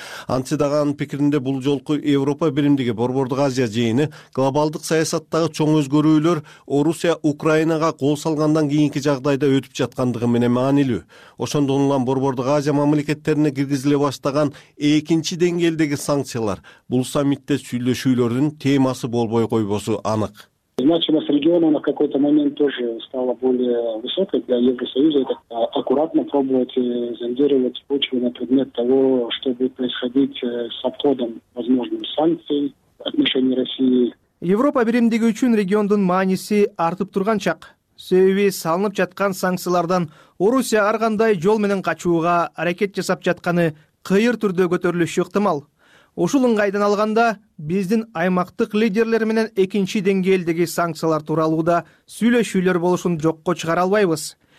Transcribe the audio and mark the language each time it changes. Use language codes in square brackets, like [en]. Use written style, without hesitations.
[ky] Антида анын пикиринде бул жолку Европа биримдиги Борбордук Азия жыйыны глобалдык саясаттагы чоң өзгөрүүлөр Орусия Украинага кол салгандан кийинки жагдайда өтүп жаткандыгы менен маанилүү. Ошондон улам Борбордук Азия мамлекеттерине киргизиле баштаган 2-деңгээлдеги санкциялар бул саммитте сүйлөшүүлөрдүн темасы болбой койбосу анык. [ru] Значимость региона на какой-то момент тоже стала более высокой для Евросоюза. Это аккуратно пробовать зондировать почву на предмет того, что будет происходить с обходом возможных санкций в отношении России. [ky] Европа биримдиги үчүн региондун мааниси артып турган чак. Себеби салынып жаткан санкциялардан Орусия ар кандай жол менен качууга аракет жасап жатканы кыйыр түрдө көтөрүлүшү ыктымал. Ушул ыңгайдан алганда биздин аймактык лидерлер менен экинчи деңгээлдеги санкциялар тууралуу да сүйлөшүүлөр болушун жокко чыгара албайбыз.